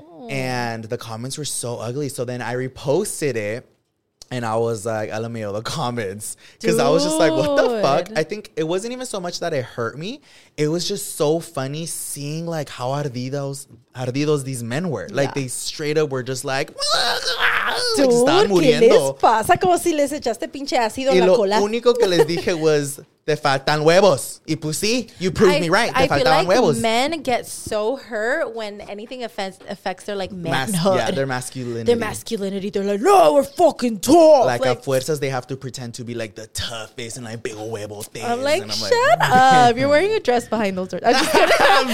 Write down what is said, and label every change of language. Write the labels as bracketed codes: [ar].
[en] And the comments were so ugly. So then I reposted it. And I was like, LMAO, the comments. Because I was just like, what the fuck? I think it wasn't even so much that it hurt me. It was just so funny seeing, like, how ardidos these men were. Yeah. Like, they straight up were just like, dude, like, [es] están muriendo. ¿Qué les pasa? Como si les echaste pinche ácido en la cola. Y lo único que les dije [en] was, [es] te faltan huevos. Y pues sí, [en] you proved me right. [es] Te faltaban [en] like [es] huevos. [en] Men get so hurt when anything affects their, like, manhood. Yeah, their masculinity. Their masculinity. They're like, no, we're fucking tough. Like, [es] a fuerzas, [en] they have to pretend to be, like, the toughest and, like, big huevos. I'm like, shut up. You're wearing a dress behind those doors. I'm just kidding.